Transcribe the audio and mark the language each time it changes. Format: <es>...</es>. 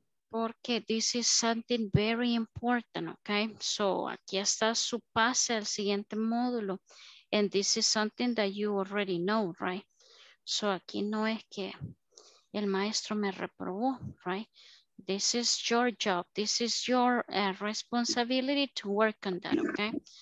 <en>Porque this is something very important, okay?</en> <es>So aquí está su pase al siguiente módulo.</es> <en>And this is something that you already know, right?</en> <es>So aquí no es que el maestro me reprobó, right?</es> <en>This is your job. This is your responsibility to work on that, okay?</en>